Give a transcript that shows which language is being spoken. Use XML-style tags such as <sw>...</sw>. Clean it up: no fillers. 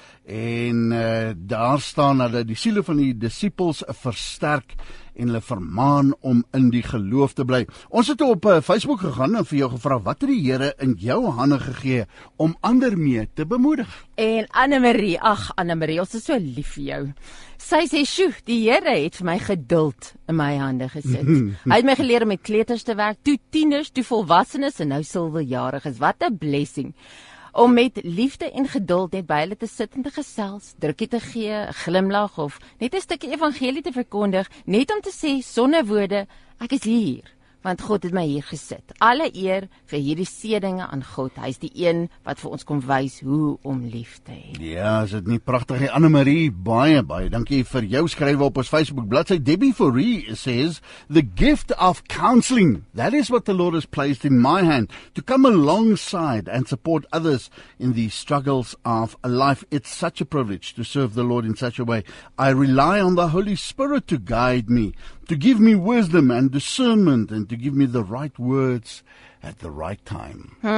<af>En daar staan dat die siele van die disippels versterk en hulle vermaan om in die geloof te bly. Ons het op Facebook gegaan en vir jou gevra wat het die Here in jou hande gegee om ander mee te bemoedig. En Annemarie, ag Annemarie, ons is so lief vir jou. Sy sê, "Sjoe, die Here het vir my geduld in my hande gesit. Hy het my geleer om met kleuters te werk, toe tieners, toe volwassenes en nou silwerjariges. Wat 'n blessing." Om met liefde en geduld net by hulle te sit en te gesels, drukkie te gee, glimlag of net 'n stukkie evangelie te verkondig, net om te sê sonder woorde, ek is hier, want God het my hier gesit. Alle eer vir hierdie seëninge aan God, hy is die een wat vir ons kom wys hoe om lief te hê. Ja, is dit nie prachtig nie, Annemarie, baie, dankie vir jou skrywe op ons Facebook bladsy.</af> <en>Debbie Forrie says, the gift of counseling, that is what the Lord has placed in my hand, to come alongside and support others in the struggles of life. It's such a privilege to serve the Lord in such a way. I rely on the Holy Spirit to guide me, to give me wisdom and discernment and to give me the right words at the right time.</en>